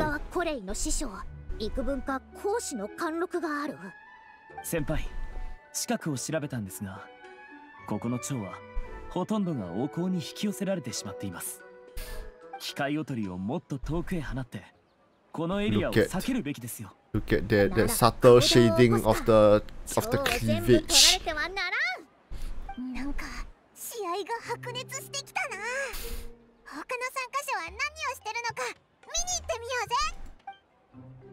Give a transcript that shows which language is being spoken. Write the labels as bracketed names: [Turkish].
[Japanese] さすがコレイの師匠、幾分か講師の貫禄がある。先輩、近くを調べたんですが、ここの蝶はほとんどが王侯に引き寄せられてしまっています。機械おとりをもっと遠くへ放って、このエリアを避けるべきですよ。 [English] Look at that, that subtle shading of the cleavage. [Japanese] なんか試合が白熱してきたな。他の参加者は何をしてるのか見に行ってみようぜ。